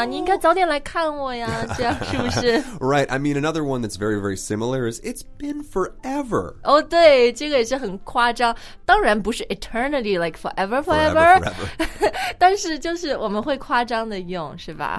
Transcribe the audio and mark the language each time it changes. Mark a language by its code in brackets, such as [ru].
[zh] oh. 你应该早点来看我呀，这样是不是？ [en] Right, I mean another one that's very, very similar is it's been forever. [zh] Oh, 对，这个也是很夸张。当然不是 eternity, [en] like forever, forever. forever. [zh] 但是就是我们会夸张的用，是吧？